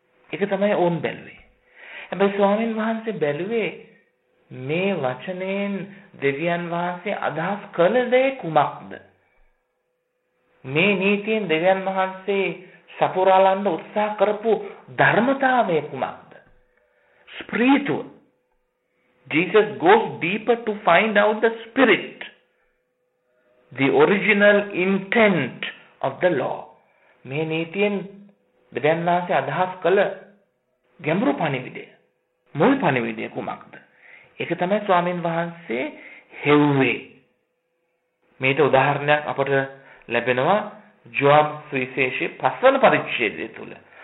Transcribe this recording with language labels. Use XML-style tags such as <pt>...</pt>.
<si>ඒක තමයි ඕන් බැලුවේ. හැබැයි ස්වාමීන් වහන්සේ බැලුවේ මේ වචනයෙන් දෙවියන් වහන්සේ අදහස් කළ දේ කුමක්ද? මේ නීතියෙන් දෙවියන් වහන්සේ සපුරාලන්න උත්සාහ කරපු ධර්මතාවය කුමක්ද? ස්පිරිතුව.</si> <en>Jesus goes deeper to find out the spirit, the original intent of the law.</en> <si>මේ නීතියෙන් දෙවියන් වහන්සේ අදහස් කළ ගැඹුරු පණිවිඩය, මුල් පණිවිඩය කුමක්ද? ඒක තමයි ස්වාමීන් වහන්සේ හෙව්වේ. මේට උදාහරණයක් අපට ලැබෙනවා ජෝබ් සුවිශේෂයේ 5 වන පරිච්ඡේදය තුළ.</si>